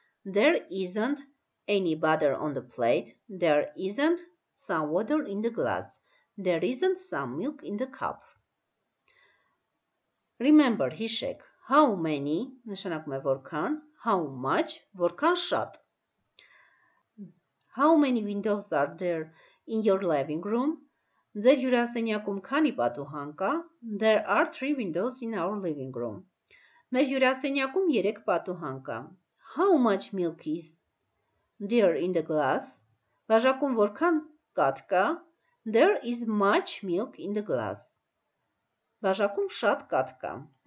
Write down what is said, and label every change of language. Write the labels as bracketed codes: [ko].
[en] There isn't any butter on the plate. There isn't some water in the glass. There isn't some milk in the cup. Remember, Hishek, how many, [hy] նշանակում է որքան, [en] how much, [hy] որքան շատ. [en] How many windows are there in your living room? [hy] Ձեր հյուրասենյակում քանի պատուհան կա? [en] There are 3 windows in our living room. [hy] Մեր հյուրասենյակում 3 պատուհան կա. [en] How much milk is there in the glass? [hy] Բաժակում որքան կաթ կա? [en] There is much milk in the glass. [hy] Բաժակում շատ կաթ կա.